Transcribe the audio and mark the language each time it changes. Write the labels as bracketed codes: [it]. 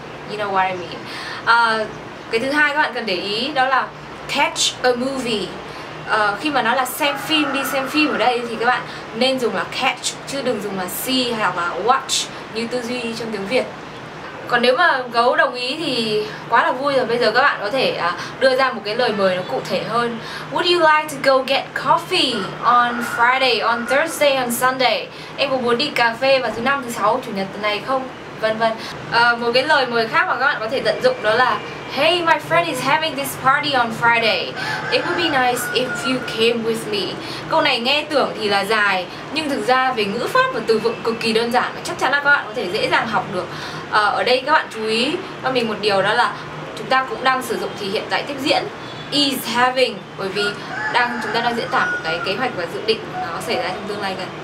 [en] You know what I mean. [vi] Cái thứ hai các bạn cần để ý đó là catch a movie. Khi mà nói là xem phim, đi xem phim ở đây thì các bạn nên dùng là catch chứ đừng dùng là see hay là watch như tư duy trong tiếng Việt. Còn nếu mà gấu đồng ý thì quá là vui rồi. Bây giờ các bạn có thể đưa ra một cái lời mời nó cụ thể hơn. [en] Would you like to go get coffee on Friday, on Thursday, on Sunday? [vi] Em có muốn đi cà phê vào thứ năm, thứ sáu, chủ nhật tuần này không? Vân vân. Một cái lời mời khác mà các bạn có thể tận dụng đó là [en] hey, my friend is having this party on Friday. It would be nice if you came with me. [vi] Câu này nghe tưởng thì là dài, nhưng thực ra về ngữ pháp và từ vựng cực kỳ đơn giản, chắc chắn là các bạn có thể dễ dàng học được. Ở đây các bạn chú ý cho mình một điều, đó là chúng ta cũng đang sử dụng thì hiện tại tiếp diễn is having, bởi vì đang chúng ta đang diễn tả một cái kế hoạch và dự định nó xảy ra trong tương lai gần.